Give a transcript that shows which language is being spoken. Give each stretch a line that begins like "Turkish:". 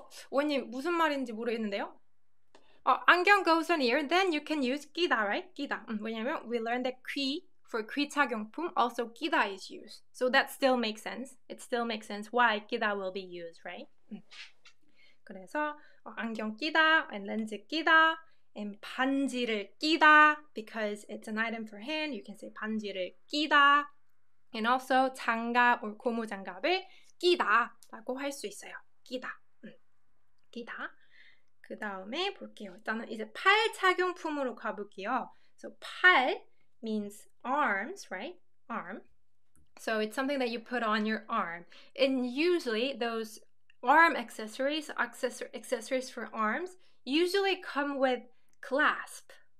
Korean: 원님 무슨 말인지 모르겠는데요.
English: 안경 goes on ear, then you can use 끼다, right? 끼다.
Korean: 왜냐면
English: we learned that 귀 for 귀 착용품 also 끼다 is used. So that still makes sense. It still makes sense why 끼다 will be used, right?
Korean: 그래서
English: 안경 끼다 and 렌즈 끼다 and 반지를 끼다 because it's an item for hand. You can say
Korean: 반지를 끼다 and also 장갑 or 고무장갑을 끼다라고 할 수 있어요. 끼다. 끼다. 그 다음에 볼게요. 일단은 이제 팔 착용품으로 가볼게요.
English: So 팔 means arms, right? Arm. So it's something that you put on your arm. And usually those arm accessories for arms usually come with clasp.